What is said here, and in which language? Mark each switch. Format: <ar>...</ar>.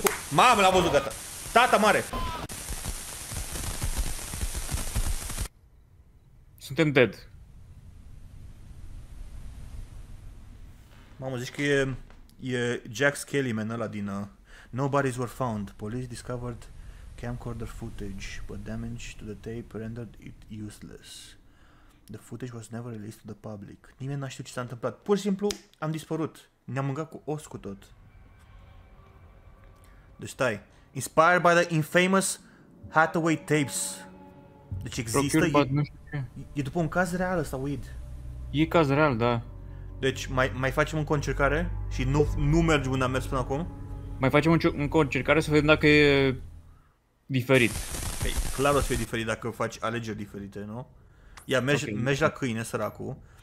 <ro>Mamă, l-am văzut, gata. Tata mare. Suntem dead. Mamă, zici că e Jack Skellyman ăla din Nobodies Were Found.</ro> <en>Police discovered camcorder footage, but damage to the tape rendered it useless. The footage was never released to the public.</en> <ro>Nimeni n-a știut ce s-a întâmplat. Pur și simplu, am dispărut. Ne-am mâncat cu os cu tot. Deci stai.</ro> <en>Inspired by the infamous Hathaway tapes.</en> <ro>Deci există? E după un caz real ăsta, Weed. E caz real, da. Deci mai facem încă o încercare și nu mergi unde am mers până acum? Mai facem încă o încercare să vedem dacă e... diferit. Păi, clar o să fie diferit dacă faci alegeri diferite, nu? Ia, mergi la câine, săracu.</ro>